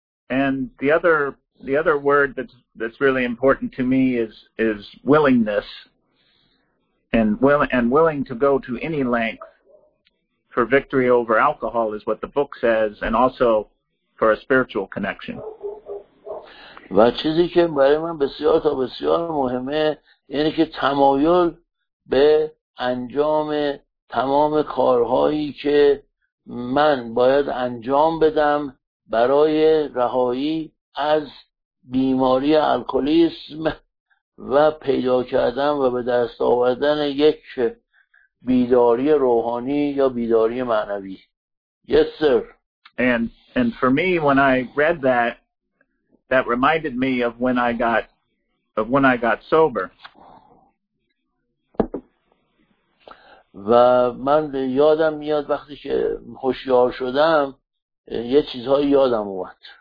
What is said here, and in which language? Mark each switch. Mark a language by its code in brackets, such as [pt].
[en] And the other word that's really important to me is willingness, and willing to go to any length for victory over alcohol is what the book says, and also for a spiritual connection. [fa] و چیزی که برای من بسیار تا بسیار مهمه اینه که تمایل به انجام تمام کارهایی که من باید انجام بدم برای رهایی از بیماری الکلیسم و پیدا کردن و به دست آوردن یک بیداری روحانی یا بیداری معنوی. [en] Yes, sir. And for me, when I read that reminded me of when I got sober. [fa] و من یادم میاد وقتی که هوشیار شدم یه چیزهایی یادم اومد.